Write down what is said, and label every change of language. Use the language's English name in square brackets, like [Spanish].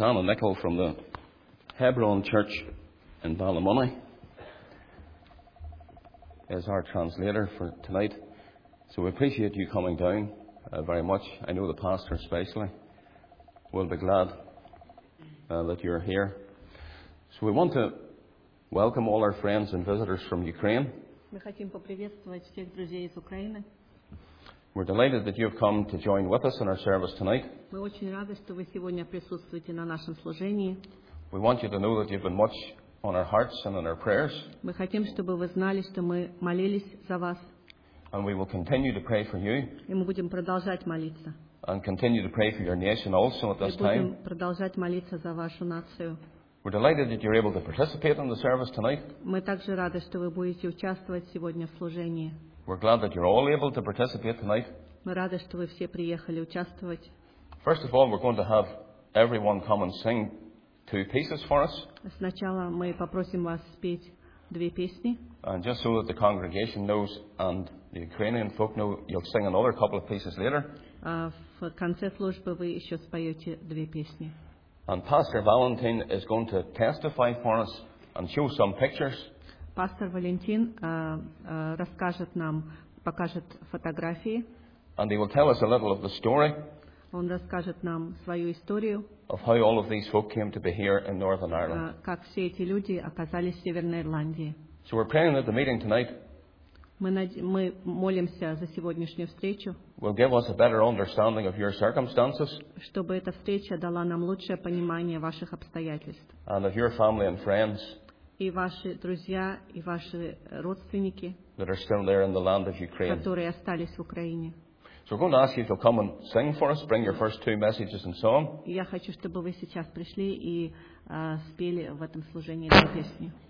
[English] Anna Nicol from the Hebron Church in Ballymoney is our translator for tonight. So we appreciate you coming down very much. I know the pastor especially will be glad that you're here. So we want to welcome all our friends and visitors from Ukraine. [Russian] Мы хотим поприветствовать всех друзей из Украины. [English] We're delighted that you have come to join with us in our service tonight. [Russian] Мы очень рады, что вы сегодня присутствуете на нашем служении. [English] We want you to know that you've been much on our hearts and on our prayers. [Russian] Мы хотим, чтобы вы знали, что мы молились за вас. [English] And we will continue to pray for you. [Russian] И мы будем продолжать молиться. [English] And continue to pray for your nation also at this time. [Russian] И будем продолжать молиться за вашу нацию. [English] We're delighted that you're able to participate in the service tonight. [Russian] Мы также рады, что вы будете участвовать сегодня в служении. [English] We're glad that you're all able to participate tonight. [Russian] Мы рады, что вы все приехали участвовать. [English] First of all, we're going to have everyone come and sing two pieces for us. [Russian] Сначала мы попросим вас спеть две песни. [English] And just so that the congregation knows and the Ukrainian folk know, you'll sing another couple of pieces later. [Russian] В конце службы вы еще споете две песни. [English] And Pastor Valentin is going to testify for us and show some pictures. [Russian] Пастор Валентин расскажет нам, покажет фотографии. [English] And he will tell us a little of the story. [Russian] Он расскажет нам свою историю. [English] Of how all of these folk came to be here in Northern Ireland. [Russian] Как все эти люди оказались в Северной Ирландии. [English] So we're praying that the meeting tonight. [Russian] Мы молимся за сегодняшнюю встречу. [English] Will give us a better understanding of your circumstances. [Russian] Чтобы эта встреча дала нам лучшее понимание ваших обстоятельств. [English] And of your family and friends. [Russian] И ваши друзья, и ваши родственники. [English] That are still there in the land of Ukraine. [Russian] Которые остались в Украине. [English] So we're going to ask you to come and sing for us. Bring your first two messages and song. [Russian] Я хочу, чтобы вы сейчас пришли и спели в этом служении эту песню.